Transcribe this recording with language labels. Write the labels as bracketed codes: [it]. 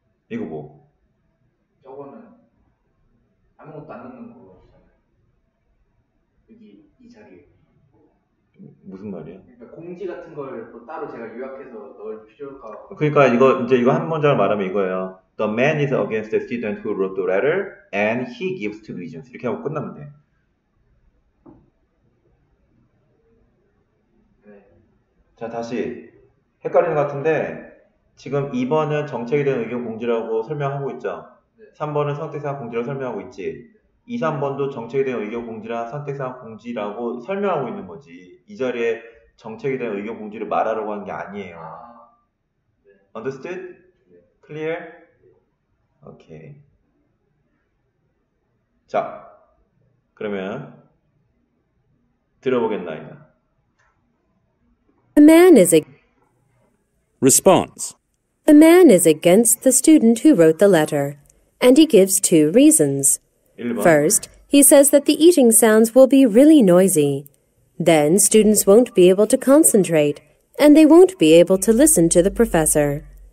[ko] 이거 뭐? 저거는 아무것도 안 넣는 거 같잖아요. 여기 이 자리에 무슨 말이야? 그러니까 공지 같은 걸 뭐 따로 제가 요약해서 넣을 필요가 그러니까 이거 이제 이거 한 문장을 말하면 이거예요. [en] The man is against the student who wrote the letter and he gives two reasons. [ko] 이렇게 하고 끝나면 돼. 자, 다시. 헷갈리는 것 같은데, 지금 2번은 정책에 대한 의견 공지라고 설명하고 있죠? 네. 3번은 선택사항 공지라고 설명하고 있지? 2, 3번도 정책에 대한 의견 공지랑 선택사항 공지라고 설명하고 있는 거지. 이 자리에 정책에 대한 의견 공지를 말하라고 하는 게 아니에요. 네. [en] Understood? [ko] 네. [en] Clear? [ko] 네. [en] Okay. [ko] 자, 그러면, 들어보겠나이다. [en] The man is a response. The man is against the student who wrote the letter, and he gives two reasons. [ko] 1번. [en] First, he says that the eating sounds will be really noisy. Then students won't be able to concentrate, and they won't be able to listen to the professor.